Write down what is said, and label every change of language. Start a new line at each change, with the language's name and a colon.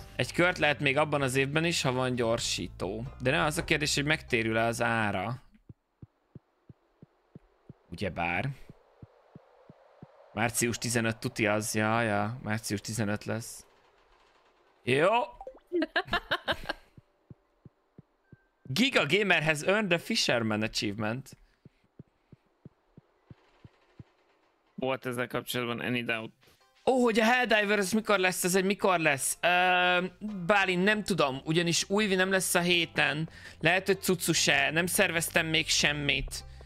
Hungarian: Egy kört lehet még abban az évben is, ha van gyorsító. De nem az a kérdés, hogy megtérül-e az ára. Ugyebár. Március 15 tuti az, ja, március 15 lesz. Jó!
English: Giga Gamer has earned a Fisherman achievement.
Hungarian: Volt ezzel kapcsolatban
English: any doubt?
Hungarian: Ó, hogy a Helldiver az mikor lesz, ez egy mikor lesz? Bálint, nem tudom, ugyanis újvi nem lesz a héten. Lehet, hogy cuccu se, nem szerveztem még semmit.